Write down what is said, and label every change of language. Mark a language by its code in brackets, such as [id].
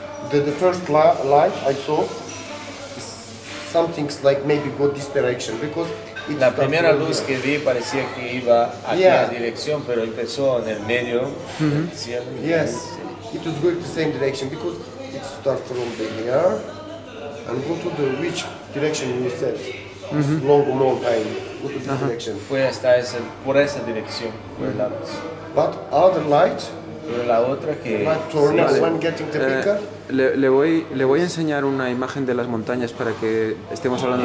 [en] The first light I saw is something like maybe go this direction because. [es] La primera luz que vi parecía que iba aquí [en] yeah. [es] a la dirección, pero empezó en el medio. Mm-hmm. Cielo. [en] Yes, it was going the same direction because it starts from the air and go to the which direction you said, mm-hmm. long mountain. Go to this uh-huh. direction. [es] Fue hasta ese, por esa dirección, fue mm-hmm. la luz. [en] But other light. [es] Pero la otra que. [en] Light turn sí, one getting the picker. [es] Le voy a enseñar una imagen de las montañas para que estemos hablando